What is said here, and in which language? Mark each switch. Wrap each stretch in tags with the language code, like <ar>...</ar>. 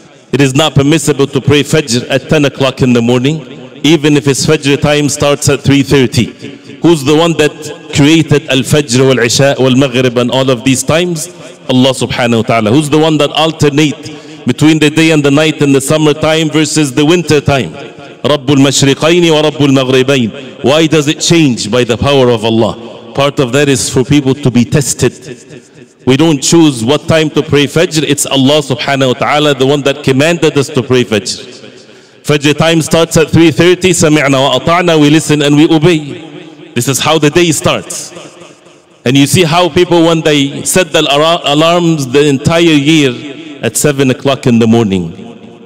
<en>It is not permissible to pray fajr at 10 o'clock in the morning, even if his fajr time starts at 3:30. Who's the one that created al-fajr wal-isha wal-maghrib and all of these times? Allah subhanahu wa ta'ala. Who's the one that alternate between the day and the night in the summer time versus the winter time?</en> <ar>رب المشرقين ورب المغربين.</ar> <en>Why does it change? By the power of Allah. Part of that is for people to be tested. We don't choose what time to pray fajr. It's Allah subhanahu wa ta'ala, the one that commanded us to pray fajr. Fajr time starts at 3:30.</en> <ar>سمعنا وأطعنا.</ar> <en>We listen and we obey. This is how the day starts. And you see how people, when they set the alarms the entire year at 7 o'clock in the morning.</en>